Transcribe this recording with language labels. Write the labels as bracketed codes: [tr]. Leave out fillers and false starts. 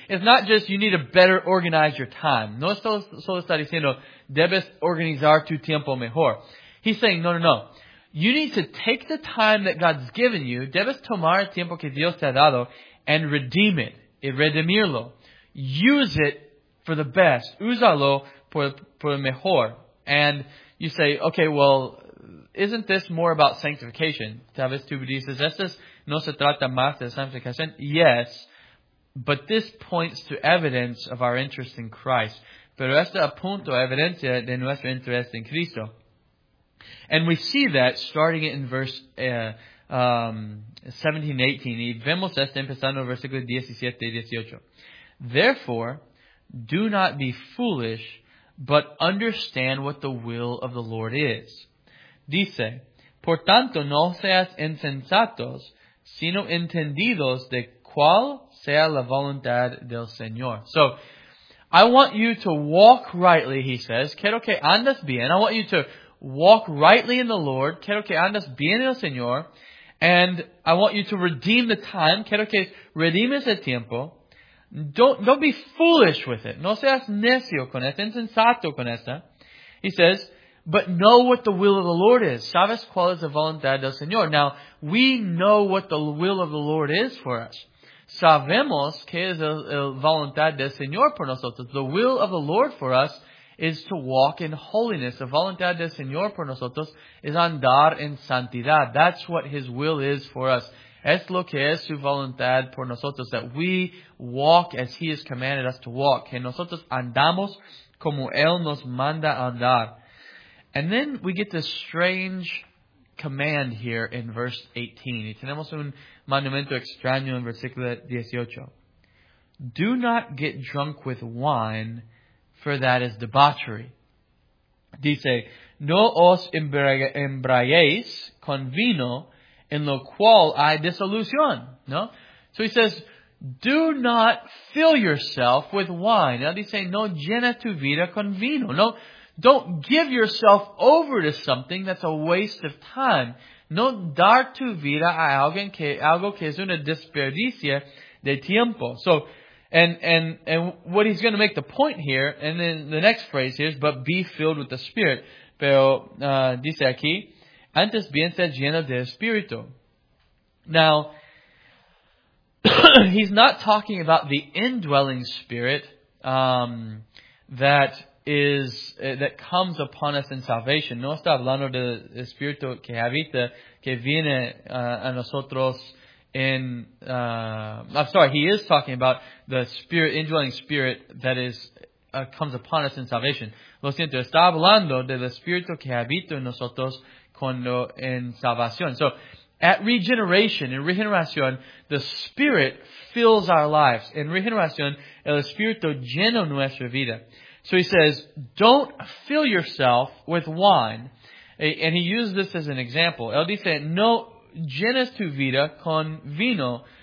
[en] It's not just you need to better organize your time. [es] No es solo está diciendo debes organizar tu tiempo mejor. [en] He's saying, no. You need to take the time that God's given you, [es] debes tomar el tiempo que Dios te ha dado, [en] and redeem it. [es] Y redimirlo. [en] Use it for the best. [es] Úsalo por mejor. [en] And you say, okay, well, isn't this more about sanctification? [es] Tal vez tú dices, esto no se trata más de sanctificación. [en] Yes, but this points to evidence of our interest in Christ. [es] Pero esto apunta a evidencia de nuestro interés en Cristo. [en] And we see that starting in verse 17-18. [es] Y vemos esto empezando en versículos 17-18. [en] Therefore, do not be foolish, but understand what the will of the Lord is. [es] Dice, por tanto, no seas insensatos, sino entendidos de cuál sea la voluntad del Señor. [en] So, I want you to walk rightly, he says. [es] Quiero que andes bien. [en] I want you to walk rightly in the Lord. [es] Quiero que andes bien en el Señor. [en] And I want you to redeem the time. [es] Quiero que redimes el tiempo. [en] Don't be foolish with it. [es] No seas necio con esta, insensato con esta. [en] He says, but know what the will of the Lord is. [es] Sabes cuál es la voluntad del Señor. [en] Now, we know what the will of the Lord is for us. [es] Sabemos que es la voluntad del Señor por nosotros. [en] The will of the Lord for us is to walk in holiness. [es] La voluntad del Señor por nosotros es andar en santidad. [en] That's what His will is for us. [es] Es lo que es su voluntad por nosotros, [en] that we walk as He has commanded us to walk. [es] Que nosotros andamos como Él nos manda andar. [en] And then we get this strange command here in verse 18. [es] Y tenemos un mandamiento extraño en versículo 18. [en] Do not get drunk with wine, for that is debauchery. [es] Dice, no os embriaguéis con vino, in lo cual hay disolución. No? [en] So he says, do not fill yourself with wine. Now they say, [es] no llena tu vida con vino. [en] No, don't give yourself over to something that's a waste of time. [es] No dar tu vida a alguien que, algo que es una desperdicia de tiempo. [en] So, and what he's going to make the point here, and then the next phrase here is, but be filled with the Spirit. [es] Pero, dice aquí, antes bien ser lleno de Espíritu. [en] Now, he's not talking about the indwelling Spirit that comes upon us in salvation. [es] No está hablando del Espíritu que habita, que viene a nosotros in... [en] he is talking about the Spirit, indwelling Spirit that is... comes upon us in salvation. [es] Lo siento, está hablando del Espíritu que habita en nosotros cuando en salvación. [en] So, at regeneration, in regeneración, the Spirit fills our lives. [es] En regeneración, el Espíritu llena nuestra vida. [en] So he says, don't fill yourself with wine. And he uses this as an example. [es] Él dice, no llenes tu vida con vino.